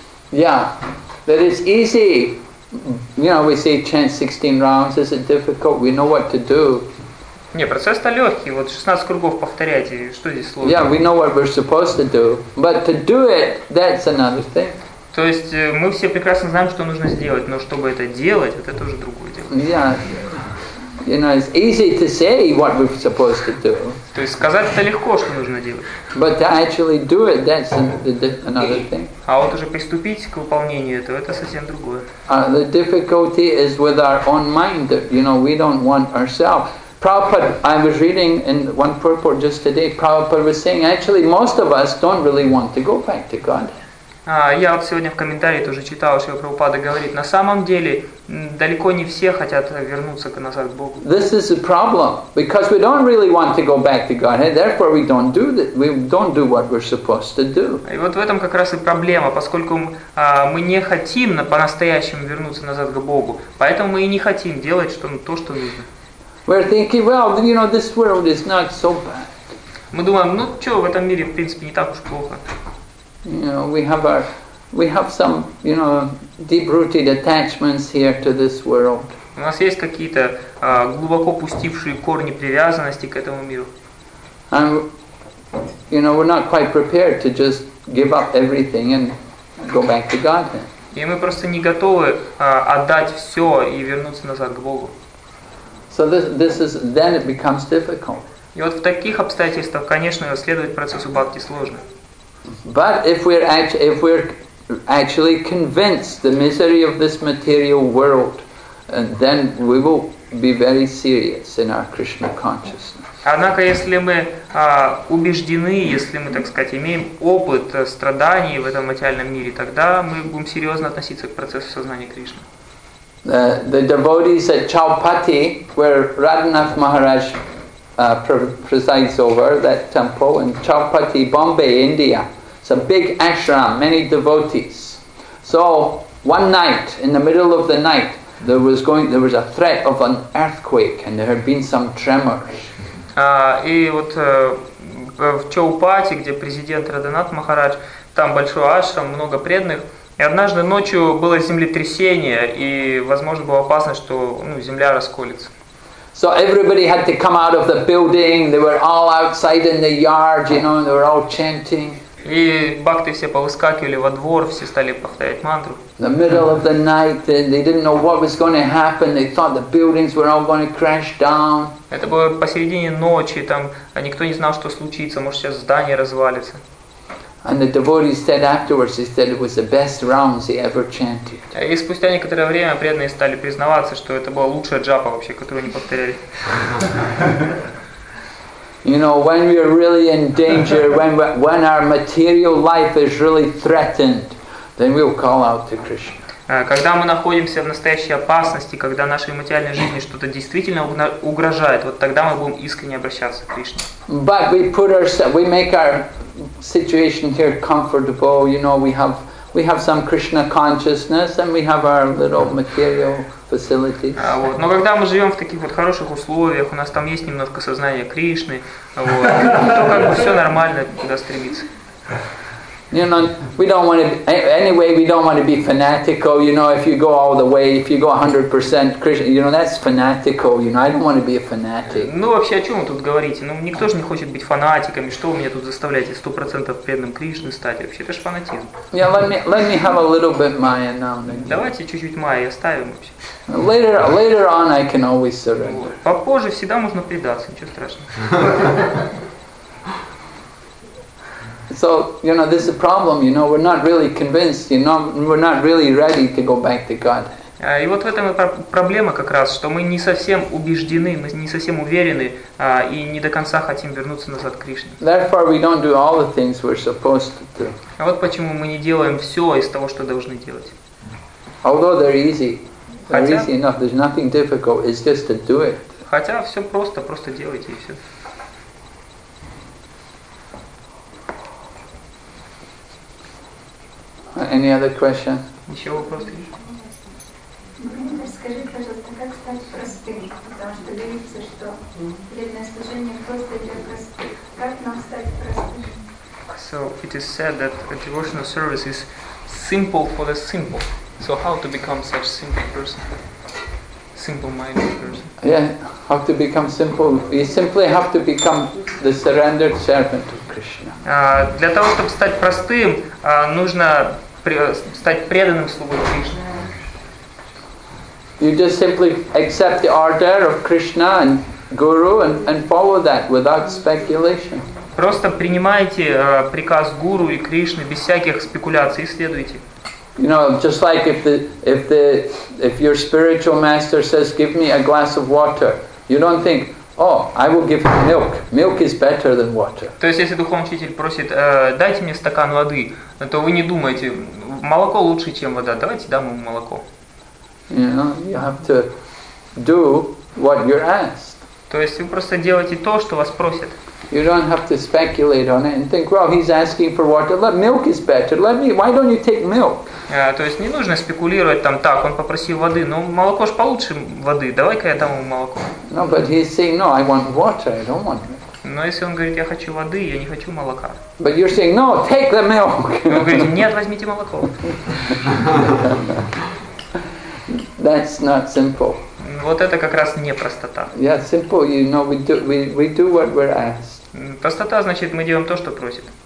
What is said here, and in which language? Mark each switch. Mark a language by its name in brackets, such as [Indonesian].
[English] Yeah, that is easy. You know, we say chant 16 rounds, is it difficult? We know what to do. [Russian] Не, процесс-то легкий. Вот 16 кругов повторяйте. Что здесь сложно? [English] Yeah, we know what we're supposed to do, but to do it, that's another thing. [Russian] То есть мы все прекрасно знаем, что нужно сделать, но чтобы это делать, вот это уже другое дело. [English] Yeah, you know, it's easy to say what we're supposed to do. [Russian] То есть сказать-то легко, что нужно делать. [English] But to actually do it, that's another thing. [Russian] А вот уже приступить к выполнению этого, это совсем другое. [English] The difficulty is with our own mind. You know, we don't want ourselves. Prabhupada, I was reading in one purport just today, Prabhupada was saying, actually, most of us don't really want to go back to God. [Russian] Я вот сегодня в комментарии тоже читал, что Прабхупада говорит, на самом деле, далеко не все хотят вернуться назад к Богу. [English] This is a problem, because we don't really want to go back to God, and therefore we don't do what we're supposed to do. [Russian] И вот в этом как раз и проблема, поскольку мы не хотим по-настоящему вернуться назад к Богу, поэтому мы и не хотим делать то, что нужно. [English] We're thinking, well, you know, this world is not so bad. [Russian] Мы думаем, ну что, в этом мире, в принципе, не так уж плохо. [English] You know, we have some, you know, deep-rooted attachments here to this world. [Russian] У нас есть какие-то глубоко пустившие корни привязанности к этому миру. [English] And, you know, we're not quite prepared to just give up everything and go back to God. [Russian] И мы просто не готовы отдать все и вернуться назад к Богу. [English] So this is then it becomes difficult. [Russian] И вот в таких обстоятельствах, конечно, следовать процессу бхакти сложно. [English] But if we're actually convince the misery of this material world, and then we will be very serious in our Krishna consciousness. [Russian] Однако, если мы убеждены, если мы, так сказать, имеем опыт страданий в этом материальном мире, тогда мы будем серьезно относиться к процессу сознания Кришны. [English] The devotees at Chaupati, where Radhanath Maharaj presides over that temple, in Chaupati, Bombay, India. It's a big ashram, many devotees. So one night, in the middle of the night, there was a threat of an earthquake, and there had been some tremors. [Russian] И вот в Чаупати, где президент Радханат Махарадж, там большой ашрам, много преданных, и однажды ночью было землетрясение, и, возможно, было опасно, что земля расколется. [English] So everybody had to come out of the building, they were all outside in the yard, they were all chanting. [Russian] И бхакты все повыскакивали во двор, все стали повторять мантру. [English] The middle of the night, they didn't know what was going to happen, they thought the buildings were all going to crash down. [Russian] Это было посередине ночи, там никто не знал, что случится, может сейчас здание развалится. [English] And the devotee said afterwards, he said it was the best rounds he ever chanted. [Russian] И спустя некоторое время преданные стали признаваться, что это была лучшая джапа вообще, которую они повторяли. [English] You know, when we are really in danger, when our material life is really threatened, then we'll call out to Krishna. [Russian] Когда мы находимся в настоящей опасности, когда нашей материальной жизни что-то действительно угрожает, вот тогда мы будем искренне обращаться к Кришне. [English] But we put ourselves, we make our situation here comfortable. You know, we have some Krishna consciousness, and we have our little material facilities. [Russian] Вот. Но когда мы живем в таких вот хороших условиях, у нас там есть немножко сознания Кришны, то как бы все нормально, куда стремиться. [English] You know, we don't want to. Anyway, we don't want to be fanatical. You know, if you go all the way, if you go 100% Krishna, you know, that's fanatical. You know, I don't want to be a fanatic. [Russian] Ну вообще о чем вы тут говорите? Ну никто же не хочет быть фанатиками. Что вы меня тут заставляете 100% преданным Кришны стать? Вообще это ж фанатизм. [English] Yeah, let me have a little bit Maya now. [Russian] Давайте чуть-чуть Майи оставим вообще. [English] Later on, I can always surrender. [Russian] Попозже всегда можно предаться. Ничего страшного. [English] So, you know, this is a problem, you know, we're not really convinced, you know, we're not really ready to go back to God. [Russian] И вот в этом и проблема как раз, что мы не совсем убеждены, мы не совсем уверены, и не до конца хотим вернуться назад к Кришне. [English] Therefore, we don't do all the things we're supposed to do. [Russian] А вот почему мы не делаем все из того, что должны делать. [English] Although they're easy enough, there's nothing difficult, it's just to do it. [Russian] Хотя все просто делайте и все. [English] Any other question? [Russian] Еще вопросы? Расскажи, пожалуйста, как стать простым? Потому что говорится, что преданное служение просто для простых. Как нам стать простым? [English] So it is said that a devotional service is simple for the simple. So how to become such simple person? Simple-minded person. Yeah, have to become simple. You simply have to become the surrendered servant of Krishna. [Russian] Для того, чтобы стать простым, нужно стать преданным слугой Кришны. [English] You just simply accept the order of Krishna and Guru and follow that without speculation. [Russian] Просто принимайте приказ Гуру и Кришны без всяких спекуляций и следуйте. [English] You know, just like if your spiritual master says, "Give me a glass of water," you don't think, "Oh, I will give him milk. Milk is better than water." [Russian] То есть, если духовный учитель просит, дайте мне стакан воды, то вы не думаете, молоко лучше, чем вода. Давайте дам ему молоко. [English] You know, you have to do what you're asked. [Russian] То есть, вы просто делаете то, что вас просят. [English] You don't have to speculate on it and think, well, he's asking for water. Let milk is better. Let me. Why don't you take milk? [Russian] То есть не нужно спекулировать там так. Он попросил воды, но молоко ж получше воды. Давай-ка я дам ему молоко. [English] No, but he's saying, no, I want water. I don't want milk. [Russian] Но если он говорит, я хочу воды, я не хочу молока. [English] But you're saying, no, take the milk. [Russian] Он говорит, нет, возьмите молоко. [English] That's not simple. [Russian] Вот это как раз не простота. [English] Yeah, simple. You know, we do what we're asked. [Russian] Простота значит мы делаем то, что просит.